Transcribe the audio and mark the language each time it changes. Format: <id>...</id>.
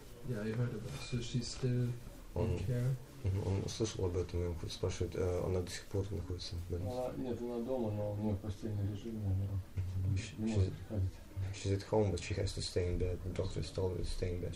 <en>Yeah, I heard about it. So she's still in care?</en> <ru>Он услышал об этом, и он спрашивает, она до сих пор находится в больнице? Нет, она дома, но у нее постельный режим, наверное. Не может приходить.</ru> <en>She's at home, but she has to stay in bed. The doctor is told to stay in bed.</en>